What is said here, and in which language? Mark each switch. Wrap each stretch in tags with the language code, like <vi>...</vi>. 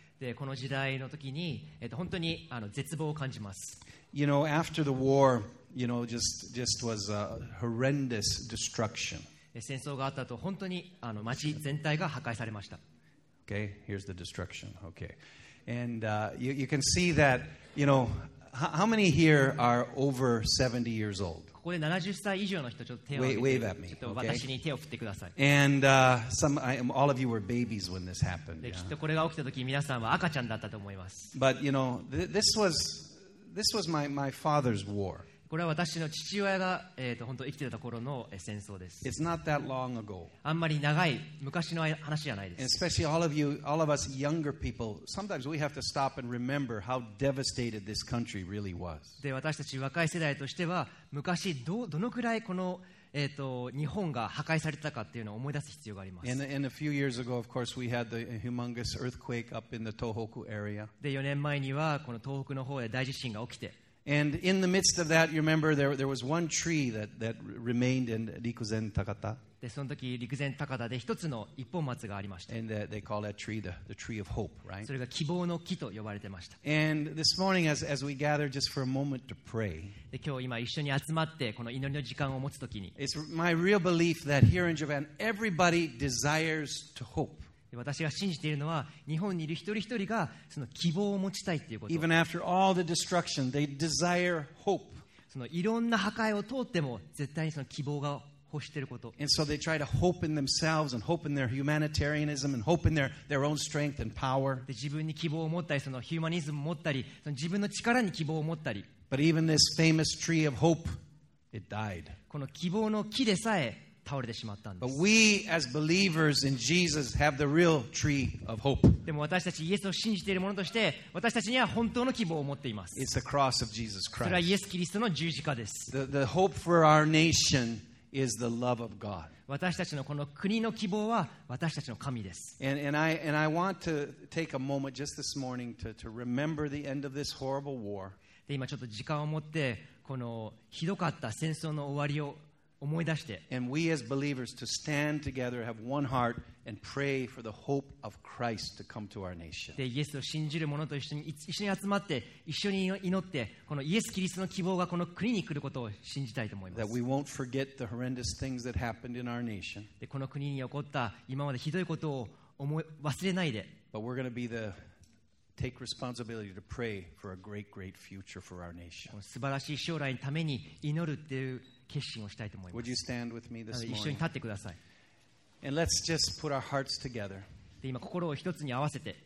<ja>でこの時代の時に、本当に絶望を感じます。</ja> <en>You know, after the war, you know, just was a horrendous destruction.</en> <ja>戦争があったと本当に町全体が破壊されました。</ja> <en>Okay, here's the destruction. Okay, and you can see that, you know, how many here are over 70 years old?</en> <ja>ここで70歳以上の人ちょっと手を挙げて、</ja> <en>wave at me.</en> <ja>ちょっと私に手を振ってください。</ja> <en>Okay. And all of you were babies when this happened.</en> <ja>きっとこれが起きた時、皆さんは赤ちゃんだったと思います。</ja> <en>But you know, this was my father's war.</en> <ja>これは私の父親が本当生きてた頃の戦争です。</ja> <en>It's not that long ago.</en> <ja>あんまり長い昔の話じゃないです。</ja> <en>And especially all of us younger people, sometimes we have to stop and remember how devastated this country really was.</en> <ja>で私たち若い世代としては昔どのくらいこの日本が破壊されたかっていうのを思い出す必要があります。</ja> <en>And a few years ago, of course, we had the humongous earthquake up in the Tohoku area.</en> <ja>で4年前にはこの東北の方で大地震が起きて。</ja> <en>And in the midst of that, you remember there was one tree that remained in Rikuzen Takata.</en> <ja>でその時Rikuzen Takataで一つの一本松がありました。</ja> <en>And they call that tree the tree of hope, right?</en> <ja>それが希望の木と呼ばれてました。</ja> <en>And this morning, as we gather just for a moment to pray,</en> <ja>で今日今一緒に集まってこの祈りの時間を持つ時に、</ja> <en>It's my real belief that here in Japan, everybody desires to hope.</en> <ja>私が信じているのは日本にいる一人一人がその希望を持ちたいということ。</ja> <en>Even after all the destruction, they desire hope.</en> <ja>そのいろんな破壊を通っても絶対にその希望が欲していること。</ja> <en>And so they try to hope in themselves and hope in their humanitarianism and hope in their own strength and power.</en> <ja>で自分に希望を持ったりそのヒューマニズムを持ったりその自分の力に希望を持ったり。</ja> <en>But even this famous tree of hope, it died.</en> <ja>この希望の木でさえ倒れてしまったんです。</ja> <en>But we as believers in Jesus have the real tree of hope.</en> <ja>でも私たちイエスを信じている者として、私たちには本当の希望を持っています。</ja> <en>It's the cross of Jesus Christ.</en> <ja>それはイエス・キリストの十字架です。</ja> <en>The hope for our nation is the love of God.</en> <ja>私たちのこの国の希望は私たちの神です。</ja> <en>And I want to take a moment just this morning to remember the end of this horrible war.</en> <ja>で今ちょっと時間を持ってこのひどかった戦争の終わりを思い出して、</ja> <en>and we as believers to stand together, have one heart, and pray for the hope of Christ to come to our nation.</en> <ja>で、イエスを信じる者と一緒に集まって、一緒に祈って、このイエス・キリストの希望がこの国に来ることを信じたいと思います。</ja> <en>That we won't forget the horrendous things that happened in our nation.</en> <ja>で、この国に起こった今までひどいことを忘れないで。</ja> <en>But we're going to be the take responsibility to pray for a great, great future for our nation.</en> <ja>素晴らしい将来のために祈るっていう。決心をしたいと思います。</ja> <en>Would you stand with me this morning?</en> <ja>一緒に立ってください。</ja> <en>And let's just put our hearts together.</en> <ja>で、今心を一つに合わせて。</ja>